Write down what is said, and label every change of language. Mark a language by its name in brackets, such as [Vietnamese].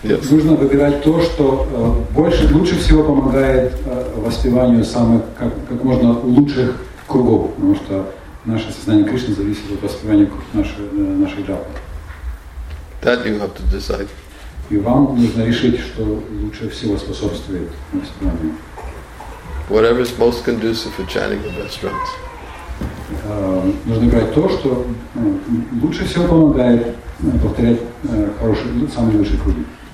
[Russian] Нужно выбирать то, что больше, лучше всего помогает воспеванию самых, как можно лучших кругов, потому что наше сознание Кришны зависит от воспевания наших джапы. [English] That you have to decide. [Russian] И вам нужно решить, что лучше всего способствует воспеванию. [English] Whatever is most conducive for chanting the best drums. [Russian] Нужно брать то, что лучше всего помогает повторять хорошие, самые лучшие круги.